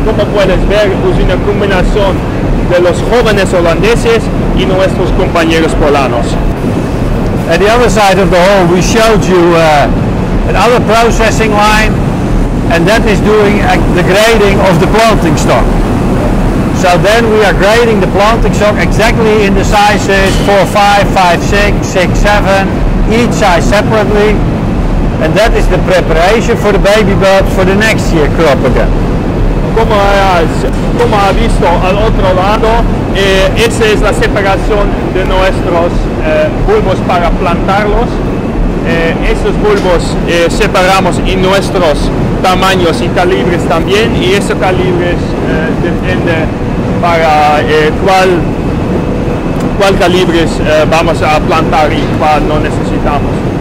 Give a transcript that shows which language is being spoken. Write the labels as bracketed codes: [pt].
[es] Como puedes ver, es una combinación de los jóvenes holandeses y nuestros compañeros polanos. [en] At the other side of the hall, we showed you another processing line, and that is doing the grading of the planting stock. So then we are grading the planting stock exactly in the sizes 4-5, 5-6, 6-7, each size separately, and that is the preparation for the baby bulbs for the next year crop again. [es] Como ha visto al otro lado, esa es la separación de nuestros bulbos para plantarlos. Esos bulbos separamos en nuestros tamaños y calibres también, y esos calibres depende para cuál calibres vamos a plantar y cuál no necesitamos.